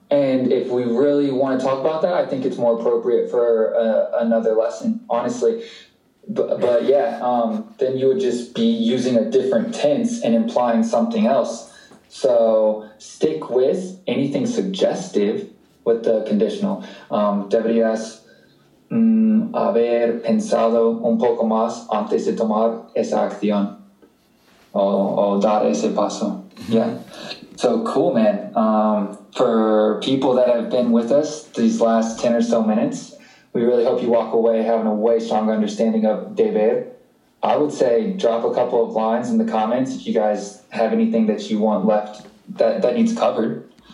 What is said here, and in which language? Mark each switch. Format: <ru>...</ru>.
<en>And if we really want to talk about that, I think it's more appropriate for another lesson, honestly. But then you would just be using a different tense and implying something else. So stick with anything suggestive with the conditional.</en> <es>Deberías haber pensado un poco más antes de tomar esa acción o dar ese paso.</es> <en>Yeah. So cool, man. For people that have been with us these last 10 or so minutes, we really hope you walk away having a way stronger understanding of deber. I would say drop a couple of lines in the comments if you guys have anything that you want left that needs covered.</en>